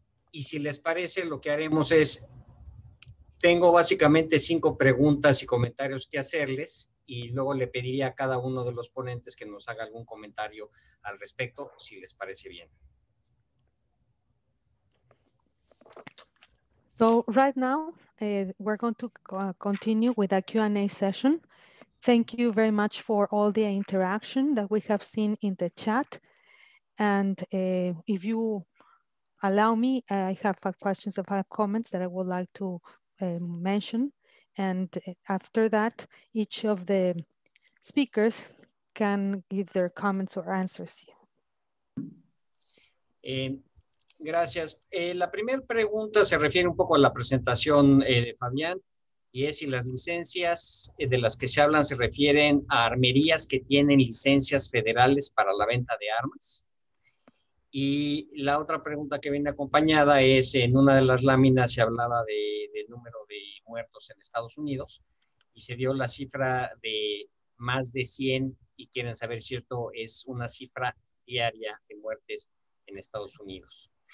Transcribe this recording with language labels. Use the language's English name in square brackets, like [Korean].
[Spanish] Y si les parece, lo que haremos es, tengo básicamente 5 preguntas y comentarios que hacerles, y luego le pediría a cada uno de los ponentes que nos haga algún comentario al respecto, si les parece bien. [English] So right now, we're going to continue with a Q&A session. Thank you very much for all the interaction that we have seen in the chat. And if you allow me, I have 5 questions or 5 comments that I would like to mention. And after that, each of the speakers can give their comments or answers. [Spanish] Gracias. La primera pregunta se refiere un poco a la presentación de Fabián, y es si las licencias de las que se hablan se refieren a armerías que tienen licencias federales para la venta de armas. Y la otra pregunta que viene acompañada es, en una de las láminas se hablaba del número de muertos en Estados Unidos y se dio la cifra de más de 100, y quieren saber si esto es una cifra diaria de muertes en Estados Unidos.